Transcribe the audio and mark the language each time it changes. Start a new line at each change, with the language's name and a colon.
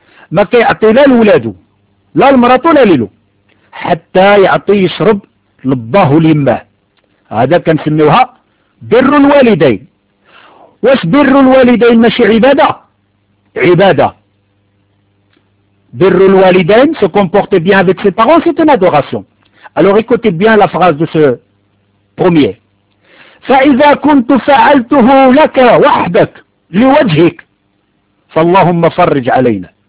Arabic: ما كيعطي لا لولادو لا لمراتو لا ليلو حتى يعطي يشرب لباه وليماه هذا كنسميوها بر الوالدين واش بر الوالدين ماشي عباده عباده بر الوالدين
French: se comporter bien avec ses parents c'est une adoration. Alors écoutez bien la phrase de ce premier.
Arabic: فإذا كنت فعلته لك وحدك لوجهك فاللهم فرج علينا.